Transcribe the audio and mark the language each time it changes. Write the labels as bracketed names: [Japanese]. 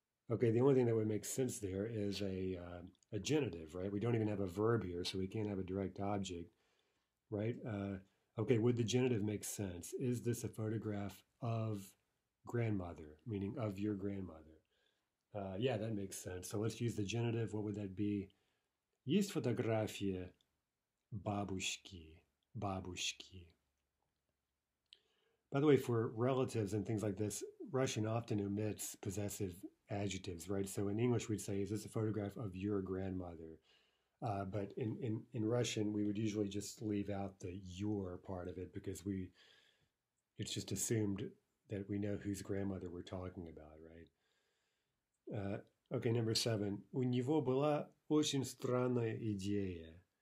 [English] Okay, the only thing that would make sense there is a genitive, right? We don't even have a verb here, so we can't have a direct object, right? Okay, would the genitive make sense? Is this a photograph of grandmother, meaning of your grandmother? Yeah, that makes sense. So let's use the genitive. What would that be? [Russian] Есть фотография бабушки, бабушки. [English] By the way, for relatives and things like this, Russian often omits possessive adjectives, right? So in English, we'd say, is this a photograph of your grandmother? But in Russian, we would usually just leave out the your part of it because it's just assumed that we know whose grandmother we're talking about, right? Okay, number seven. [Russian] У него была очень странная идея.